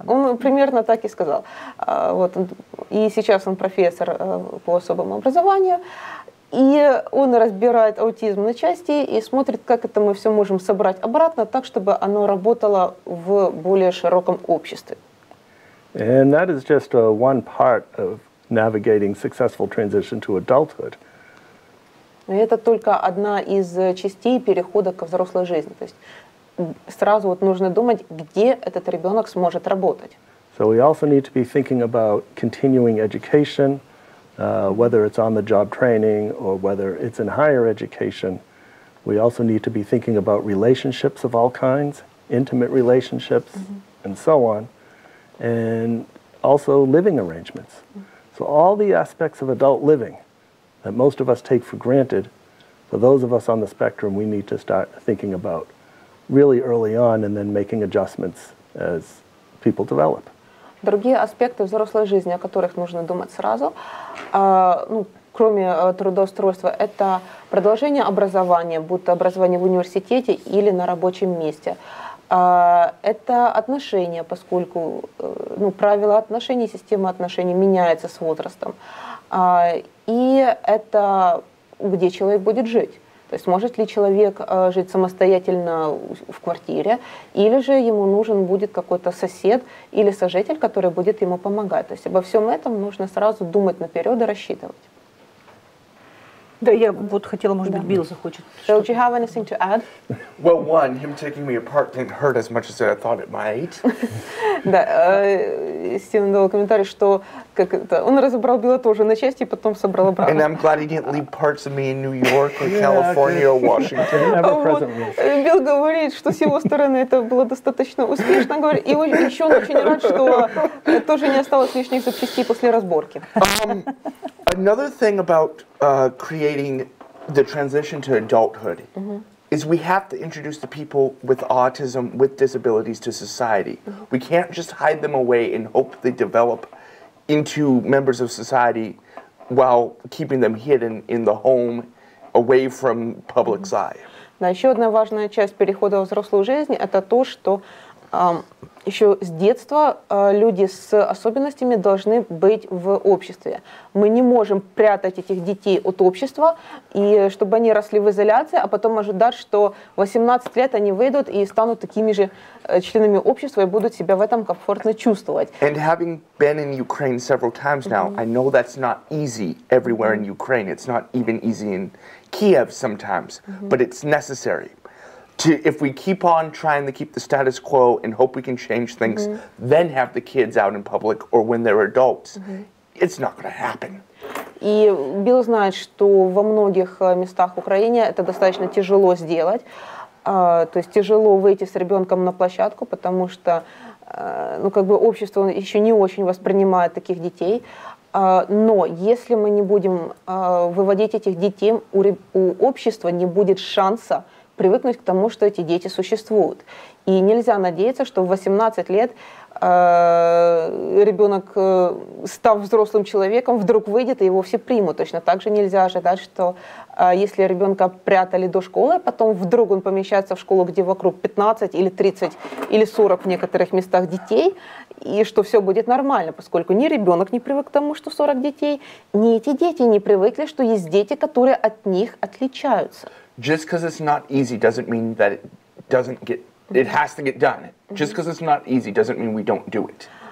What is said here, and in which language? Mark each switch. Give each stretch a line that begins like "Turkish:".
Russian: Да, он примерно так и сказал. Вот. И сейчас он профессор по особому образованию. И он разбирает аутизм на части и смотрит, как это мы все можем собрать обратно, так, чтобы оно работало в более широком обществе.
English: And that is just one part of navigating successful transition to adulthood.
Russian: Это только одна из частей перехода ко взрослой жизни. То есть сразу вот нужно думать, где этот ребенок сможет работать.
English: So we also need to be thinking about continuing education, whether it's on the job training or whether it's in higher education. We also need to be thinking about relationships of all kinds, intimate relationships, mm-hmm. and so on, and also living arrangements. So all the aspects of adult living that most of us take for granted, for those of us on the spectrum, we need to start thinking about really early on and then making adjustments as people develop.
Russian: Другие аспекты взрослой жизни, о которых нужно думать сразу, ну, кроме трудоустройства, это продолжение образования, будь то образование в университете или на рабочем месте. Это отношения, поскольку ну, правила отношений, система отношений меняется с возрастом. И это где человек будет жить. То есть может ли человек жить самостоятельно в квартире, или же ему нужен будет какой-то сосед или сожитель, который будет ему помогать. То есть обо всем этом нужно сразу думать наперед и рассчитывать. Да, я вот хотела, может быть, Билл захочет.
English: So, do you have anything to add? Well, one, him taking me apart didn't hurt as much as I thought it might.
Russian: Да, Стивен дал комментарий, что как это, он разобрал Билла тоже на части, потом собрал обратно.
English: And I'm glad he didn't leave parts of me in New York or California or Washington.
Russian: Билл говорит, что с его стороны это было достаточно успешно, говорит, и еще он очень рад, что тоже не осталось лишних запчастей после разборки.
English: Another thing about creating the transition to adulthood mm-hmm. is we have to introduce the people with autism, with disabilities to society. Mm-hmm. We can't just hide them away and hope they develop into members of society while keeping them hidden in the home, away from public's eye.
Russian: Да, еще одна важная часть перехода во взрослую жизнь – это то, что еще с детства люди с особенностями должны быть в обществе. Мы не можем прятать этих детей от общества, и чтобы они росли в изоляции, а потом ожидать, что в 18 лет они выйдут и станут такими же членами общества и будут себя в этом комфортно чувствовать.
English: And having been in Ukraine several times now, mm-hmm. I know that's not easy everywhere mm-hmm. in Ukraine. It's not even easy in Kiev sometimes, mm-hmm. but it's necessary. If we keep on trying to keep the status quo and hope we can change things, mm-hmm. then have the kids out in public or when they're adults, mm-hmm. it's not going to happen.
Russian: И Билл знает, что во многих местах Украины это достаточно тяжело сделать. То есть тяжело выйти с ребенком на площадку, потому что ну, как бы общество еще не очень воспринимает таких детей. Но если мы не будем выводить этих детей, у общества не будет шанса привыкнуть к тому, что эти дети существуют. И нельзя надеяться, что в 18 лет ребенок, став взрослым человеком, вдруг выйдет и его все примут. Точно так же нельзя ожидать, что если ребенка прятали до школы, потом вдруг он помещается в школу, где вокруг 15 или 30 или 40 в некоторых местах детей, и что все будет нормально, поскольку ни ребенок не привык к тому, что 40 детей, ни эти дети не привыкли, что есть дети, которые от них отличаются.
English: Just because it's not easy doesn't mean that it doesn't get, it has to get done. Just because it's not easy doesn't mean we don't do it.